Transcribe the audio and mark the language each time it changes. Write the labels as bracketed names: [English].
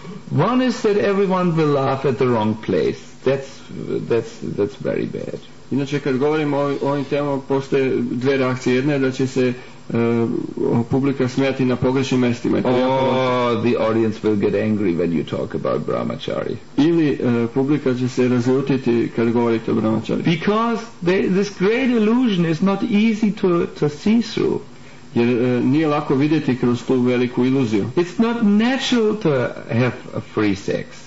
[English] One is that everyone will laugh at the wrong place. That's very bad. [Serbian] Inače, kad govorimo o ovim temama, postoje dve reakcije. Jedna je da će se publika smijati na pogrešnim mjestima. [English] The audience will get angry when you talk about brahmachari. [Serbian] Ili publika će se razljutiti kad govorite o brahmachari. [English] Because this great illusion is not easy to see through. [Serbian] Jer nije lako vidjeti kroz tu veliku iluziju. [English] It's not natural to have a free sex.